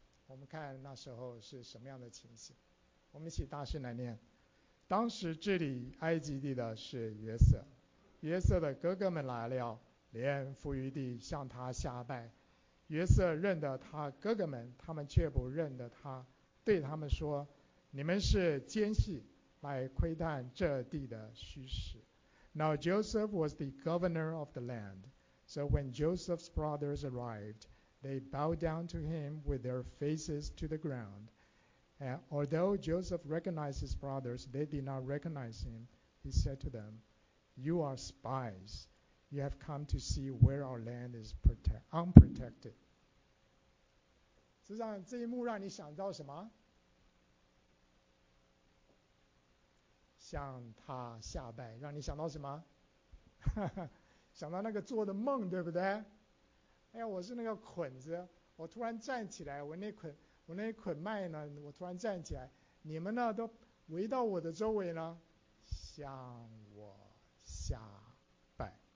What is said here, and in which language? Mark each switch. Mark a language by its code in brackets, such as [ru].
[zh] 我们看那时候是什么样的情形。我们一起大声来念：当时治理埃及地的是约瑟，约瑟的哥哥们来了，连伏于地向他下拜。约瑟认得他哥哥们，他们却不认得他，对他们说：你们是奸细，来窥探这地的虚实。 [en] Now Joseph was the governor of the land. So when Joseph's brothers arrived, they bowed down to him with their faces to the ground. And although Joseph recognized his brothers, they did not recognize him. He said to them, You are spies. You have come to see where our land is unprotected. [zh] 实际上，这一幕让你想到什么？向他下拜，让你想到什么？想到那个做的梦，对不对？哎呀，我是那个捆子，我突然站起来，我那捆麦呢，我突然站起来，你们呢都围到我的周围呢，向我下拜。